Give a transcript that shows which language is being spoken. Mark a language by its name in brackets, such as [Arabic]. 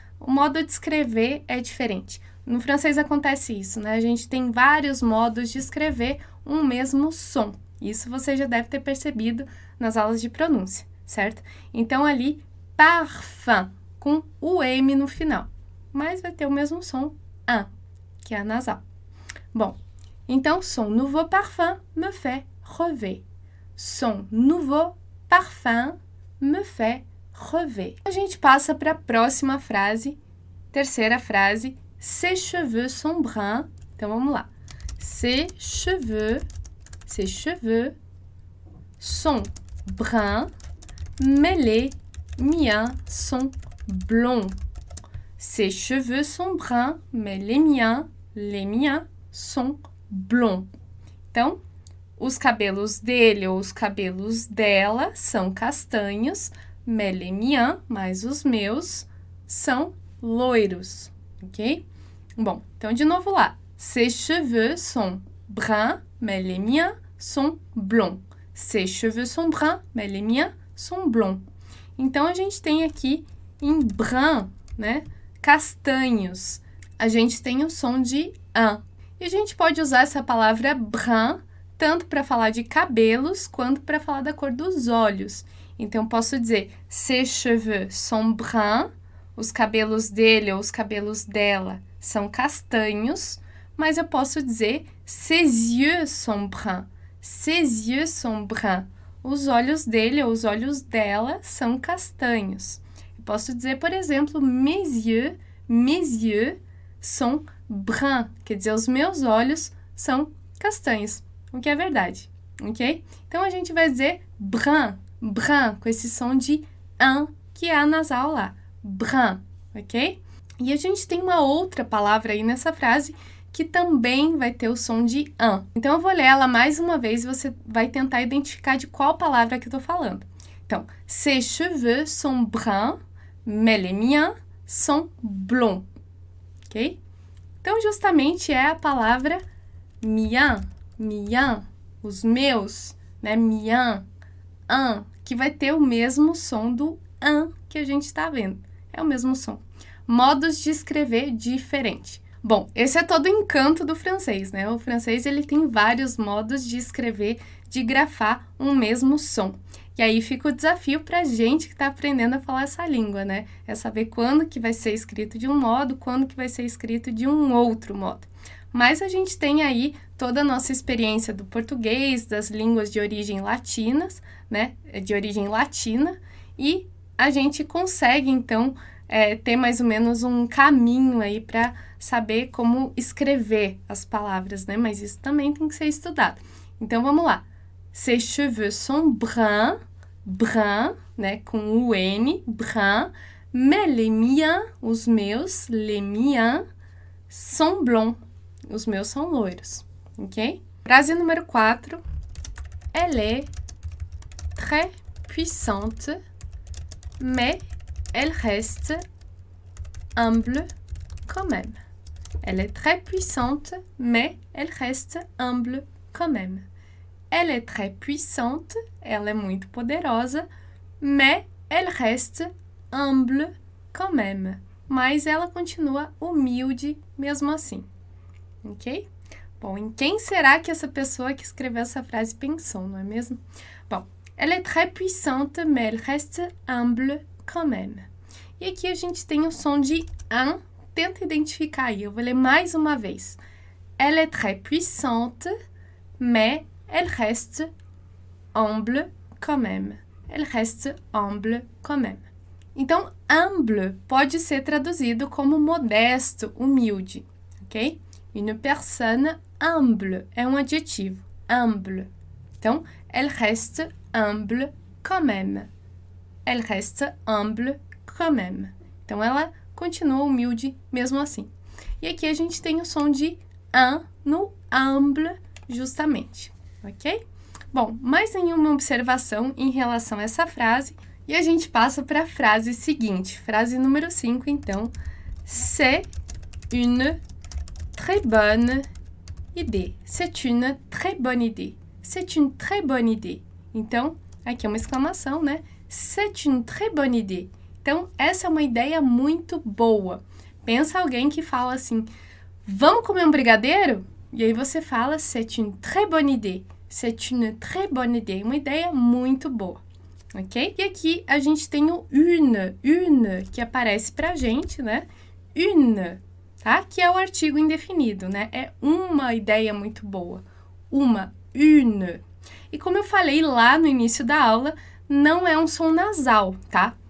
[Portuguese] O modo de escrever é diferente. No francês acontece isso, né? A gente tem vários modos de escrever um mesmo som. Isso você já deve ter percebido nas aulas de pronúncia, certo? Então, ali, parfum, com o M no final. Mas vai ter o mesmo som, an, que é a nasal. Bom, então, [French] son nouveau parfum me fait rêver. Son nouveau parfum me fait rêver. [Portuguese] A gente passa para a próxima frase, terceira frase. [French] Ses cheveux sont bruns. [Portuguese] Então vamos lá. [French] Ses cheveux sont bruns, mais les miens sont blonds. Ses cheveux sont bruns, mais les miens sont blonds. [Portuguese] Então, os cabelos dele ou os cabelos dela são castanhos, [French] mais les miens, [Portuguese] mas os meus são loiros, ok? Bom, então de novo lá. [French] Ses cheveux sont bruns, mais les miens sont blonds. Ses cheveux sont bruns, mais les miens sont blonds. [Portuguese] Então a gente tem aqui em brun, né? Castanhos. A gente tem o som de an. E a gente pode usar essa palavra brun tanto para falar de cabelos quanto para falar da cor dos olhos. Então posso dizer [French] ses cheveux sont bruns, [Portuguese] os cabelos dele ou os cabelos dela são castanhos, mas eu posso dizer [French] ses yeux sont bruns. Ses yeux sont bruns. [Portuguese] Os olhos dele ou os olhos dela são castanhos. Eu posso dizer, por exemplo, [French] mes yeux sont bruns, [Portuguese] quer dizer, os meus olhos são castanhos, o que é verdade, ok? Então a gente vai dizer brun, brun, com esse som de an que é anasal lá, brun, ok? E a gente tem uma outra palavra aí nessa frase que também vai ter o som de an. Então, eu vou ler ela mais uma vez e você vai tentar identificar de qual palavra que eu estou falando. [French] Então, ses cheveux sont bruns, mais les miens sont blonds. [Portuguese] Ok? Então, justamente é a palavra mien, mien, os meus, né? Mien, an, que vai ter o mesmo som do an que a gente está vendo. É o mesmo som. Modos de escrever diferente. Bom, esse é todo o encanto do francês, né? O francês, ele tem vários modos de escrever, de grafar um mesmo som. E aí fica o desafio para a gente que está aprendendo a falar essa língua, né? É saber quando que vai ser escrito de um modo, quando que vai ser escrito de um outro modo. Mas a gente tem aí toda a nossa experiência do português, das línguas de origem latinas, né? De origem latina. E a gente consegue, então, ter mais ou menos um caminho aí para saber como escrever as palavras, né? Mas isso também tem que ser estudado. Então vamos lá. [French] Ses cheveux sont bruns, bruns, né? [Portuguese] Com o N, [French] bruns. Mais les miens, [Portuguese] os meus, [French] les miens, sont blonds. [Portuguese] Os meus são loiros, ok? Frase número 4. [French] Elle est très puissante, mais elle reste humble quand même. Elle est très puissante, mais elle reste humble quand même. Elle est très puissante, [Portuguese] ela é muito poderosa, [French] mais elle reste humble quand même. [Portuguese] Mas ela continua humilde mesmo assim. Ok? Bom, em quem será que essa pessoa que escreveu essa frase pensou, não é mesmo? [French] Bom, elle est très puissante, mais elle reste humble quand même. [Portuguese] E aqui a gente tem o som de an. Tenta identificar aí. Eu vou ler mais uma vez. [French] Elle est très puissante, mais elle reste humble quand même. Elle reste humble quand même. [Portuguese] Então, humble pode ser traduzido como modesto, humilde, ok? [French] Une personne humble [Portuguese] é um adjetivo. [French] Humble. Então, elle reste humble quand même. Elle reste humble quand même. [Portuguese] Então, ela continua humilde mesmo assim. E aqui a gente tem o som de un no humble, justamente, ok? Bom, mais nenhuma observação em relação a essa frase. E a gente passa para a frase seguinte, frase número 5, então. [French] C'est une très bonne idée. C'est une très bonne idée. C'est une très bonne idée. [Portuguese] Então, aqui é uma exclamação, né? [French] C'est une très bonne idée. [Portuguese] Então, essa é uma ideia muito boa. Pensa alguém que fala assim, vamos comer um brigadeiro? E aí você fala, [French] c'est une très bonne idée. C'est une très bonne idée. [Portuguese] Uma ideia muito boa, ok? E aqui a gente tem o une, que aparece pra gente, né? Une, tá? Que é o artigo indefinido, né? É uma ideia muito boa. Uma, une. E como eu falei lá no início da aula, não é um som nasal, tá?